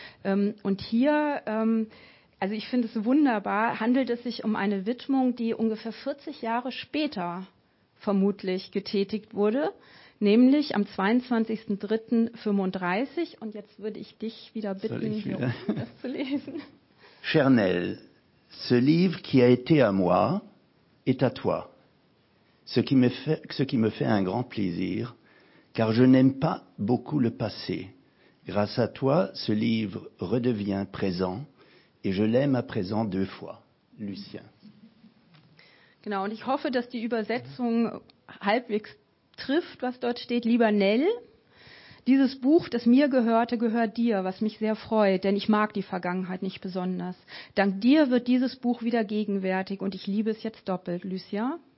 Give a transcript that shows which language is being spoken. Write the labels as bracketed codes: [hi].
[de] Und hier, also ich finde es wunderbar, handelt es sich um eine Widmung, die ungefähr 40 Jahre später vermutlich getätigt wurde, nämlich am 22.03.35. Und jetzt würde ich dich wieder bitten, das zu lesen. [fr] Cher Nell, ce livre qui a été à moi est à toi. Ce qui me fait un grand plaisir, car je n'aime pas beaucoup le passé. Grâce à toi, ce livre redevient présent et je l'aime à présent deux fois. Lucien. [de] Genau, und ich hoffe, dass die Übersetzung halbwegs trifft, was dort steht. Lieber Nell, dieses Buch, das mir gehörte, gehört dir, was mich sehr freut, denn ich mag die Vergangenheit nicht besonders. Dank dir wird dieses Buch wieder gegenwärtig und ich liebe es jetzt doppelt. Lucien.